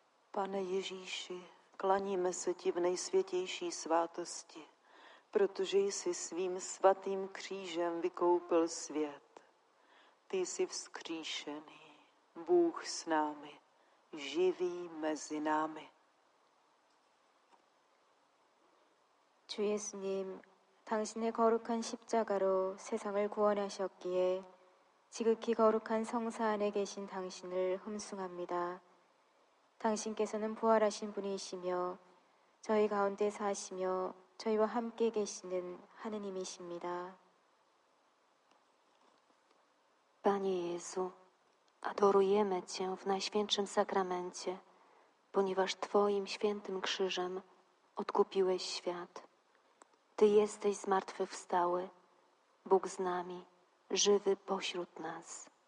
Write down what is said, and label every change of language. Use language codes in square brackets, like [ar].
[cs] Pane Ježíši, klaníme se ti v nejsvětější svátosti, protože jsi svým svatým křížem vykoupil svět. Ty jsi vzkříšený, Bůh s námi, živý mezi námi. [ko] Jesus님, 당신의 거룩한 십자가로 세상을 구원하셨기에 지극히 거룩한 성사 안에 계신 당신을 흠숭합니다. 당신께서는 부활하신 분이시며 저희 가운데 사시며 저희와 함께 계시는 하느님이십니다. [pl] Panie Jezu, adorujemy Cię w Najświętszym Sakramencie, ponieważ Twoim świętym krzyżem odkupiłeś świat. Ty jesteś zmartwychwstały, Bóg z nami, żywy pośród nas.